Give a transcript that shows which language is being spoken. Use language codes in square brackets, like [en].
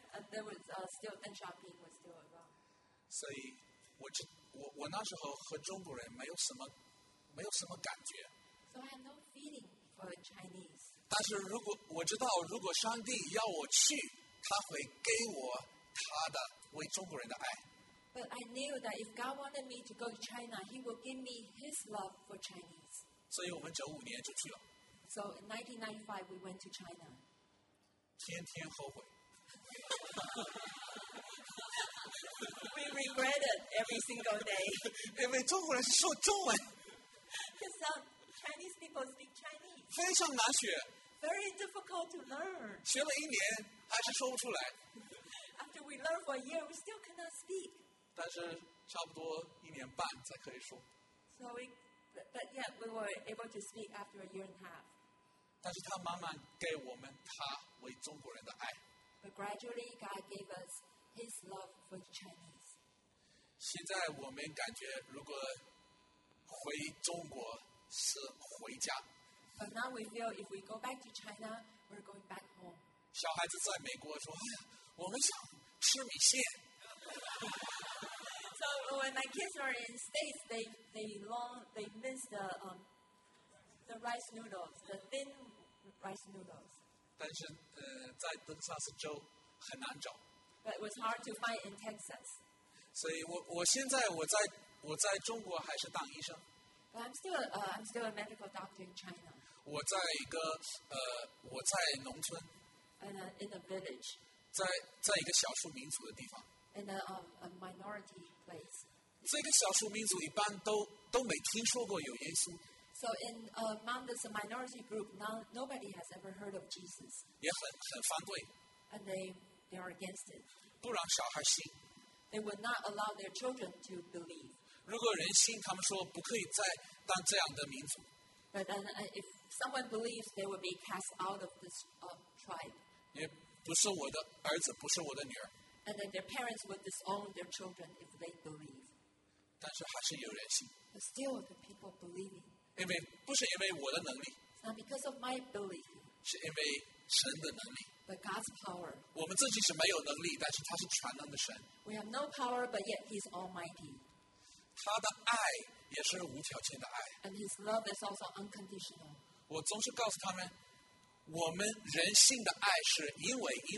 [en] There was still Deng Xiaoping was still alive. [zh] 所以，我那时候和中国人没有什么感觉。 [en] So I have no feeling for Chinese. [zh] 但是如果我知道，如果上帝要我去，他会给我他的为中国人的爱。 [en] But I knew that if God wanted me to go to China, He would give me His love for Chinese. [zh] 所以我们九五年就去了。 [en] So in 1995, we went to China. [zh] 天天后悔。 [en] We regret it every single day. [zh] 因为中国人说中文。 [en] Because Chinese people speak Chinese. [zh] 非常难学。 [en] Very difficult to learn. [zh] 学了一年还是说不出来。 [en] After we learn for a year, we still cannot speak. [zh] 但是差不多一年半才可以说。 [en] So we, but yeah, we were able to speak after a year and a half. [zh] 但是他慢慢给我们他为中国人的爱。 [en] But gradually, God gave us. His love for the Chinese. [zh] 现在我们感觉，如果回中国是回家。 [en] But now we feel if we go back to China, we're going back home. [zh] 小孩子在美国说：“哎呀，我们想吃米线。” [en] So when my kids are in States, they miss the rice noodles, the thin rice noodles. [zh] 但是在德克萨斯州很难找。 [en] But it was hard to find in Texas. [zh] 所以我现在我在中国还是当医生。 [en] I'm still a medical doctor in China. [zh] 我在农村. [en] And in a village. [zh] 在一个少数民族的地方. [en] In a minority place. [zh] 这个少数民族一般都没听说过有耶稣. [en] So in among this minority group, nobody has ever heard of Jesus. [zh] 也很反对. [en] And they are against it. [zh] 不让小孩信. [en] They would not allow their children to believe. [zh] 如果人心, 他们说不可以再当这样的民族. [en] But then, if someone believes, they will be cast out of this tribe. [zh] 也不是我的儿子, 不是我的女儿. [en] And then their parents would disown their children if they believe. [zh] 但是还是有人心. [en] But still, the people believing. [zh] 因为不是因为我的能力. [en] It's not because of my belief. [zh] 是因为神的能力. [en] But God's power. [zh] 我们自己是没有能力, 但是他是全能的神. [en] We have no power, but yet He's almighty. [zh] 他的爱也是无条件的爱. [en] And His love is also unconditional. [zh] 我总是告诉他们, 我们人性的爱是因为。